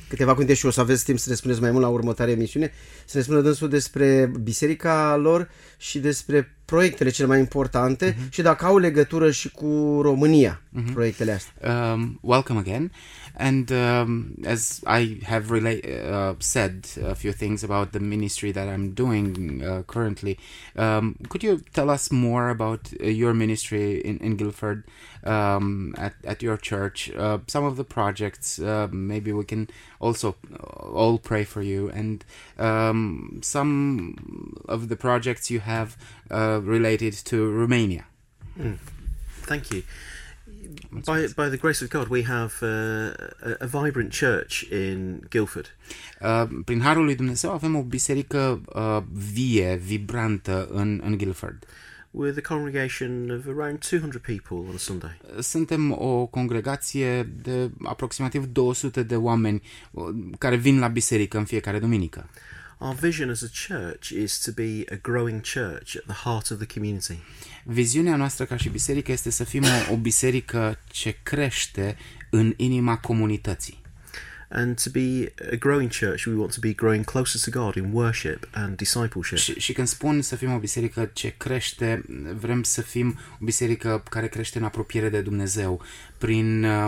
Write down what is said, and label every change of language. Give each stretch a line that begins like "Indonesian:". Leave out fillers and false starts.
Romanian: Câteva cuvinte și o să aveți timp să ne spuneți mai mult la următoarea emisiune. Să ne spună dânsul despre biserica lor și despre proiectele cele mai importante și dacă au legătură și cu România, proiectele astea.
English: Welcome again. And as I have said a few things about the ministry that I'm doing currently, could you tell us more about your ministry in Guildford, at your church, some of the projects, maybe we can also all pray for you, and some of the projects you have related to Romania. Thank you. By the grace of God, we have a vibrant church in Guildford.
Romanian: Prin harul lui Dumnezeu avem o biserică vie, vibrantă în Guildford.
English: With a congregation of around 200 people on a Sunday.
Romanian: Suntem o congregație de aproximativ 200 de oameni care vin la biserică în fiecare duminică.
English: Our vision as a church is to be a growing church at the heart of the community.
Romanian: Viziunea noastră ca și biserică este să fim o biserică ce crește în inima comunității.
English: And to be a growing church, we want to be growing closer to God in worship and discipleship.
Romanian: Și când spun să fim o biserică ce crește, vrem să fim o biserică care crește în apropiere de Dumnezeu prin